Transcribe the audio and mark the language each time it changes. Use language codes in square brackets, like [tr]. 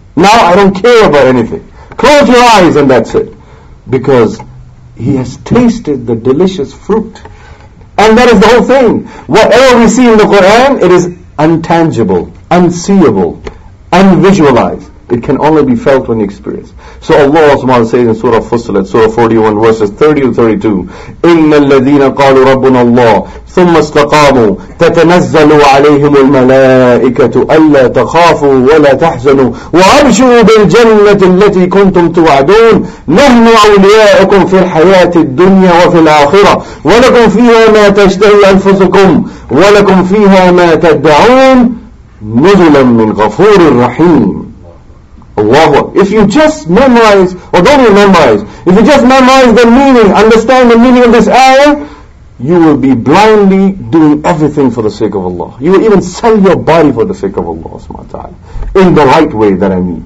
[en] Now I don't care about anything. Close your eyes and that's it. Because he has tasted the delicious fruit. And that is the whole thing. Whatever we see in the Quran, it is intangible, unseeable, unvisualized. It can only be felt when you experience. So Allah subhanahu wa ta'ala says in Surah Fussilat, Surah 41, verses 30 to 32, [ar] إِنَّ الَّذِينَ قَالُوا رَبُّنَا اللَّهِ ثُمَّ اسْتَقَامُوا تَتَنَزَّلُوا عَلَيْهِمُ الْمَلَائِكَةُ أَلَّا تَخَافُوا وَلَا تَحْزَنُوا وَأَبْشِرُوا بِالْجَنَّةِ الَّتِي كُنْتُمْ تُوَعَدُونَ نَحْنُ أَوْلِيَاؤُكُمْ فِي الْحَيَاةِ الدُّنْيَا وَفِي الْآخِرَةِ وَلَكُمْ فِيهَا مَا تَشْتَهِي أَنفُسُكُمْ وَلَكُمْ فِيهَا مَا تَدَّعُونَ نُزُلًا مِّنْ غَفُورٍ رَّحِيمٍ. [en] Allahu, if you just memorize, or don't even memorize, if you just memorize the meaning, understand the meaning of this ayah, you will be blindly doing everything for the sake of Allah. You will even sell your body for the sake of Allah, subhanahu wa ta'ala, in the right way that I mean.